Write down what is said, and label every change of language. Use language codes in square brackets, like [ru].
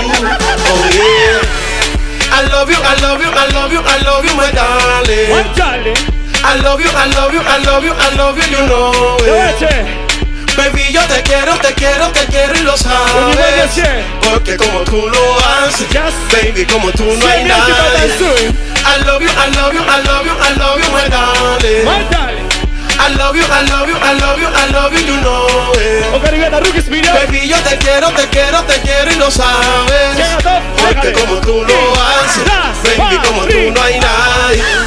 [en] Oh yeah. I love you, I love you, I love you, I love you, my darling. I love you, I love you, I love you, I love you, you know it. [es] Baby, yo te quiero, te quiero, te quiero y lo sabes. Porque como tú lo haces, baby, como tú no hay nadie. [en] I love you, I love you, I love you, I love you, my darling. I love you, I love you, I love you, I love you, you know it. [es] Okay, Rivera, Rookies, mira. Baby, yo te quiero, te quiero, te quiero y lo sabes. Porque como tú lo haces, baby, como tú no hay nadie.